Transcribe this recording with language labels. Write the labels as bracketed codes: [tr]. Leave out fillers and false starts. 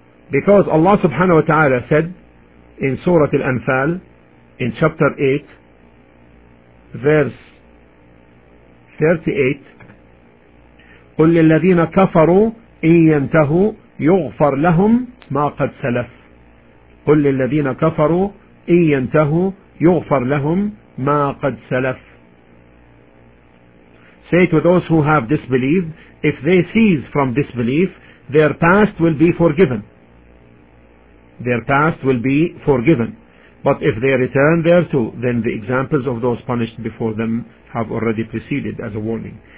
[en] Because Allah subhanahu wa ta'ala said in Surah Al-Anfal, in chapter 8, verse 38, [ar] قل للذين كفروا إن ينتهوا يغفر لهم ما قد سلف. قل للذين كفروا إن ينتهوا يغفر لهم ما قد سلف. [en] Say to those who have disbelieved, if they cease from disbelief, their past will be forgiven. Their past will be forgiven. But if they return thereto, then the examples of those punished before them have already preceded as a warning.